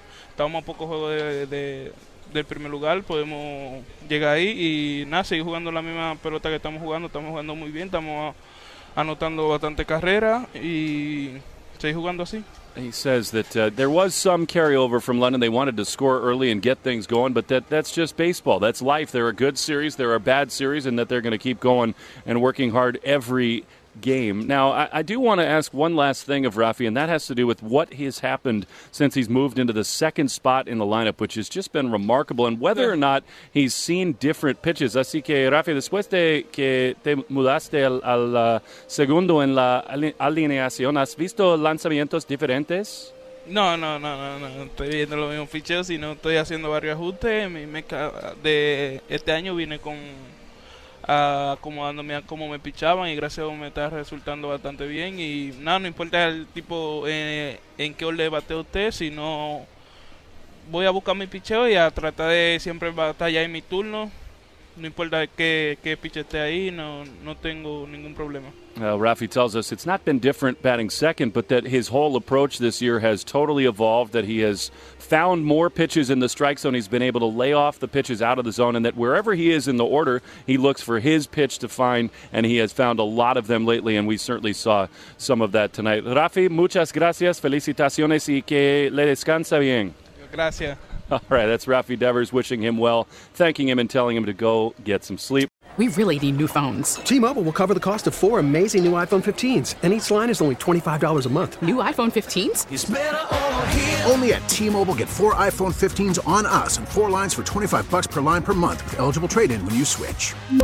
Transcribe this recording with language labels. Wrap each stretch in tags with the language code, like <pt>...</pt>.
<es>Estamos a pocos juegos del primer lugar, podemos llegar ahí y nada, seguir jugando la misma pelota que estamos jugando muy bien, estamos anotando bastante carrera y seguir jugando así.</es> <en>He says that there was some carryover from London. They wanted to score early and get things going, but that's just baseball. That's life. There are good series, there are bad series, and that they're going to keep going and working hard every game. Now, I do want to ask one last thing of Rafi, and that has to do with what has happened since he's moved into the second spot in the lineup, which has just been remarkable, and whether or not he's seen different pitches.</en> <es>Así que, Rafi, después de que te mudaste al segundo en la alineación, ¿has visto lanzamientos diferentes? No. Estoy viendo los mismos picheos, sino estoy haciendo varios ajustes. Mi meca de este año vine con acomodándome a cómo me pichaban y gracias a Dios me está resultando bastante bien y nada, no importa el tipo en qué orden bate usted, sino voy a buscar mi picheo y a tratar de siempre batallar en mi turno. No importa qué piche esté ahí, no tengo ningún problema.</es> <en>Rafi tells us it's not been different batting second, but that his whole approach this year has totally evolved, that he has found more pitches in the strike zone, he's been able to lay off the pitches out of the zone, and that wherever he is in the order, he looks for his pitch to find, and he has found a lot of them lately, and we certainly saw some of that tonight.</en> <es>Rafi, muchas gracias, felicitaciones, y que le descansa bien. Gracias.</es> <en>All right, that's Rafi Devers wishing him well, thanking him and telling him to go get some sleep. We really need new phones. T-Mobile will cover the cost of four amazing new iPhone 15s, and each line is only $25 a month. New iPhone 15s? It's better over here. Only at T-Mobile, get four iPhone 15s on us and four lines for $25 per line per month with eligible trade-in when you switch.</en>